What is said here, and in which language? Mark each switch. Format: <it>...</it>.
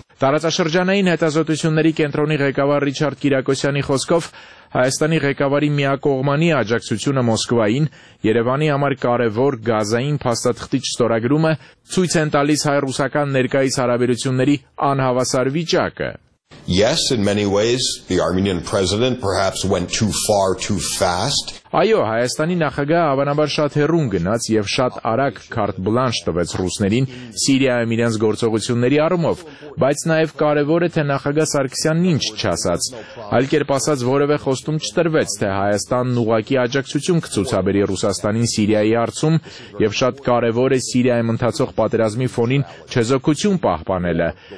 <hy>Տարածաշրջանային հետազոտությունների կենտրոնի ղեկավար Ռիչարդ Կիրակոսյանի խոսքով Հայաստանի ղեկավարի միակողմանի աջակցությունը Մոսկվային Երևանի համար կարևոր գազային փաստաթղթիչ ստորագրումը ցույց են տալիս հայ-ռուսական ներկայիս հարաբերությունների անհավասար վիճակը։</hy> <en>Yes, in many ways, the Armenian president perhaps went too far too fast.</en> <hy>Այո, Հայաստանի նախագահ հավանաբար շատ հեռուն գնաց եւ շատ արագ քարտ բլանշ տվեց ռուսներին Սիրիայում իրենց գործողությունների առումով, բայց նաեւ կարևոր է, թե նախագահ Սարգսյանն ինչ չասաց։ Այլ կերպ ասած, որևէ խոստում չտրվեց, թե Հայաստանն ուղղակի աջակցություն կցուցաբերի Ռուսաստանին Սիրիայի հարցում եւ շատ կարևոր է Սիրիայում ընթացող պատերազմի ֆոնին չեզոքություն պահպանելը։</hy>